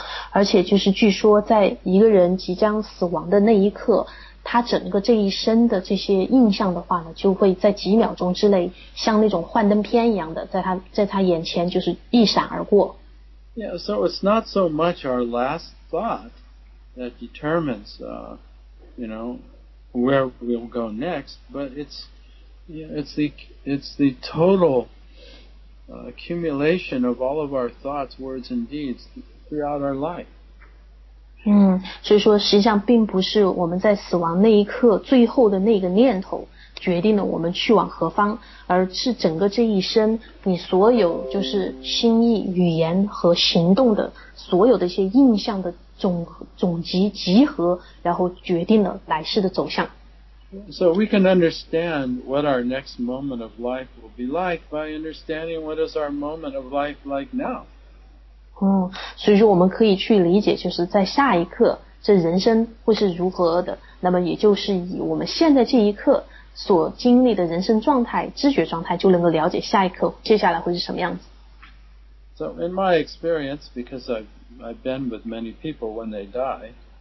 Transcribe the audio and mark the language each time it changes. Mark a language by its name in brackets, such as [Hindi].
[Chinese] 而且就是据说在一个人即将死亡的那一刻，他整个这一生的这些印象的话呢，就会在几秒钟之内像那种幻灯片一样的在他眼前就是一闪而过。 [English] Yeah, so it's not so much our last thought that determines, you know, where we'll go next, but it's the total accumulation of all of our thoughts, words and deeds throughout our life. [Chinese] 所以说实际上并不是我们在死亡那一刻最后的那个念头决定了我们去往何方，而是整个这一生你所有就是心意语言和行动的所有的一些印象的总集合，然后决定了来世的走向。 [English] So we can understand what our next moment of life will be like by understanding what is our moment of life like now. [Chinese] 所以说我们可以去理解就是在下一刻这人生会是如何的，那么也就是以我们现在这一刻所经历的人生状态知觉状态就能够了解下一刻接下来会是什么样子。 [English] So in my experience, because I've been with many people when they die,